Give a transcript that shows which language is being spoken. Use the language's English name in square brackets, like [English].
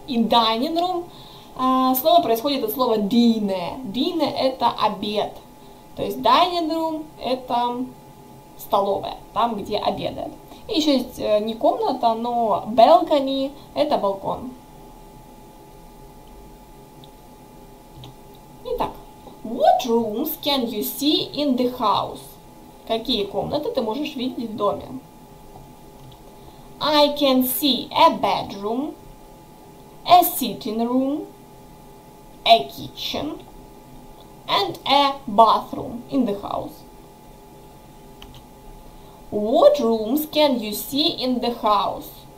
[Russian] И dining room слово происходит от слова dinner. Dinner – это обед. То есть dining room – это столовая, там, где обедают. И еще есть не комната, но balcony – это балкон. [English] What rooms can you see in the house? [Russian] Какие комнаты ты можешь видеть в доме? [English] I can see a bedroom, a sitting room, a kitchen, and a bathroom in the house. What rooms can you see in the house?